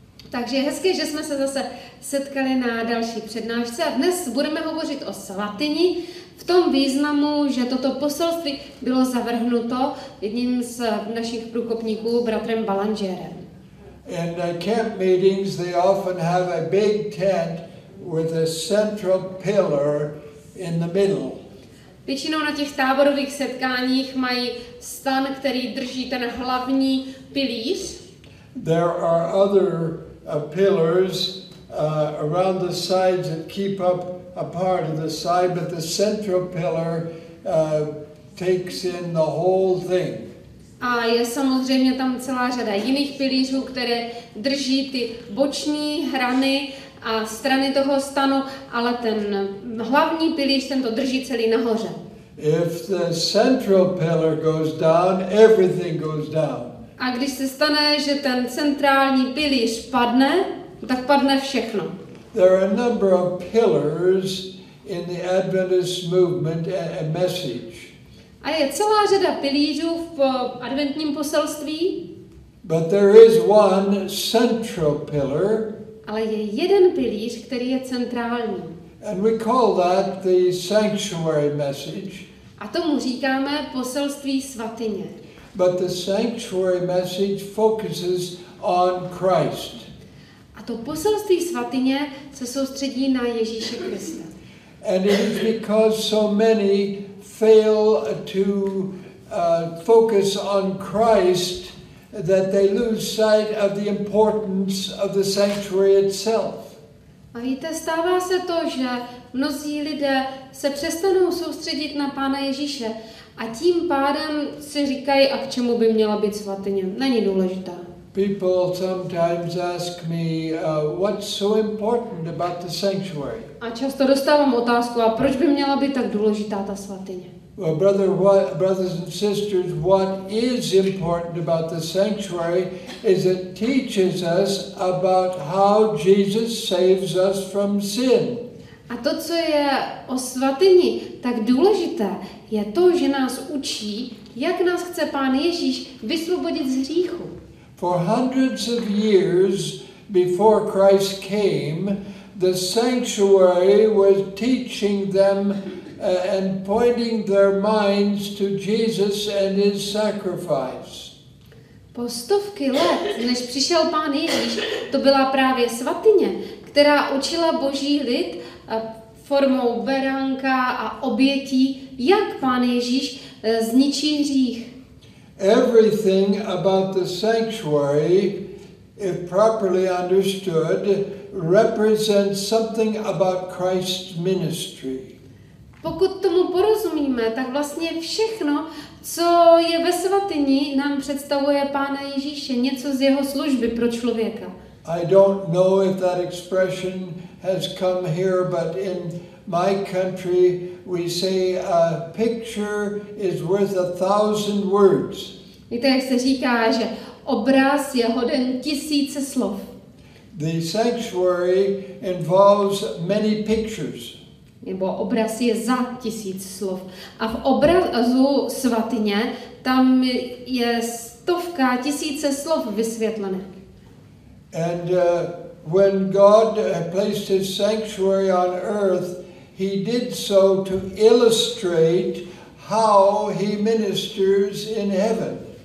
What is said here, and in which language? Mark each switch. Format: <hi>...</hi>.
<cs>Takže hezké, že jsme se zase setkali na další přednášce a dnes budeme hovořit o svatyni v tom významu, že toto poselství bylo zavrhnuto jedním z našich průkopníků, bratrem Ballingerem.</cs> <en>In camp meetings they often have a big tent with a central pillar in the middle.</en> <cs>Většinou na těch táborových setkáních mají stan, který drží ten hlavní pilíř.</cs> <en>There are other pillars around the sides that keep up a part of the side, but the central pillar takes in the whole thing.</en> <cs>A je samozřejmě tam celá řada jiných pilířů, které drží ty boční hrany a strany toho stanu, ale ten hlavní pilíř, ten to drží celý nahoře.</cs> <en>If the central pillar goes down, everything goes down.</en> <cs>A když se stane, že ten centrální pilíř padne, tak padne všechno.</cs> <en>There are a number of pillars in the Adventist movement and message.</en> <cs>A je celá řada pilířů v adventním poselství.</cs> <en>But there is one central pillar.</en> <cs>Ale je jeden pilíř, který je centrální.</cs> <en>And we call that the sanctuary message.</en> <cs>A tomu říkáme poselství svatyně.</cs> <en>But the sanctuary message focuses on Christ.</en> <cs>A to poselství svatyně se soustředí na Ježíše Krista.</cs> <en>And it is because so many fail to focus on Christ that they lose sight of the importance of the sanctuary itself.</en> <cs>A víte, stává se to, že mnozí lidé se přestanou soustředit na Pána Ježíše a tím pádem si říkají, a k čemu by měla být svatyně. Není důležitá.</cs> <en>People sometimes ask me, what's so important about the sanctuary?</en> <cs>A často dostávám otázku, a proč by měla být tak důležitá ta svatyně?</cs> <en>Well, brothers and sisters, what is important about the sanctuary is it teaches us about how Jesus saves us from sin.</en> <cs>A to, co je o svatyni tak důležité, je to, že nás učí, jak nás chce Pán Ježíš vysvobodit z hříchu.</cs> <en>For hundreds of years before Christ came, the sanctuary was teaching them and pointing their minds to Jesus and his sacrifice.</en> <cs>Po stovky let, než přišel Pán Ježíš, to byla právě svatyně, která učila Boží lid formou beránka a obětí, jak Pán Ježíš zničí hřích.</cs> <en>Everything about the sanctuary, if properly understood, represents something about Christ's ministry.</en> <cs>Pokud tomu porozumíme, tak vlastně všechno, co je ve svatyni, nám představuje Pána Ježíše, něco z jeho služby pro člověka.</cs> <en>I don't know if that expression has come here, but in my country we say a picture is worth a thousand words.</en> <cs>Víte, jak se říká, že obraz je hoden tisíce slov.</cs> <en>The sanctuary involves many pictures.</en> <cs>Nebo obraz je za tisíc slov. A v obrazu svatyně tam je stovka tisíce slov vysvětlené.</cs> <en>And when God placed his sanctuary on earth, he did so to illustrate how he ministers in heaven.</en>